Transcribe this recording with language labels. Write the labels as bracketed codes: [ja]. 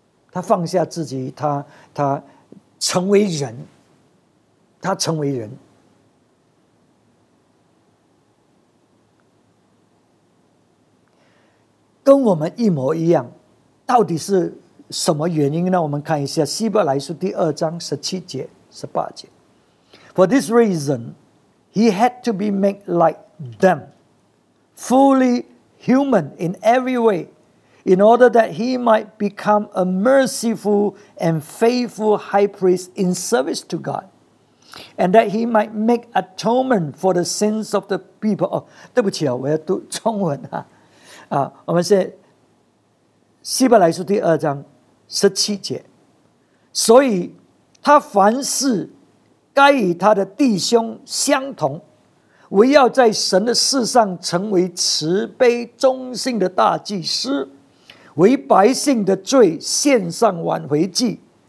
[zh] 他放下自己，他成为人，他成为人。跟我们一模一样，到底是什么原因呢？我们看一下希伯来书第二章十七节、十八节。 [en] For this reason, he had to be made like them, fully human in every way, in order that he might become a merciful and faithful high priest in service to God, and that he might make atonement for the sins of the people. [zh] 哦，对不起啊，我要读中文啊。我们是希伯来书第二章十七节，所以他凡事该与他的弟兄相同，唯要在神的事上成为慈悲忠信的大祭司，为百姓的罪献上挽回祭。